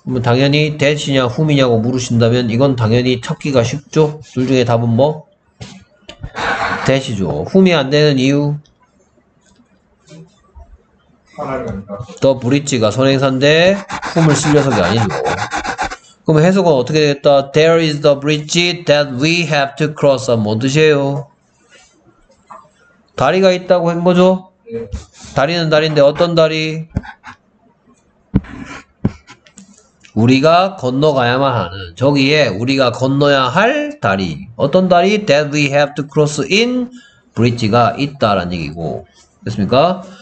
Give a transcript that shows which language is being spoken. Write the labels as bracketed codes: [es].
[ko] 그러면 당연히 that이냐 whom이냐고 물으신다면 이건 당연히 찾기가 쉽죠. 둘 중에 답은 뭐? that이죠. whom이 안 되는 이유? 선행사. The bridge가 선행사인데 whom을 쓸 녀석이 아니죠. 그럼 해석은 어떻게 되겠다? [en] There is the bridge that we have to cross [ko] 뭔 뜻이에요? 다리가 있다고 한 거죠? 다리는 다리인데 어떤 다리? 우리가 건너가야만 하는 저기에 우리가 건너야 할 다리 어떤 다리? [en] That we have to cross in bridge가 [ko] 있다라는 얘기고 됐습니까?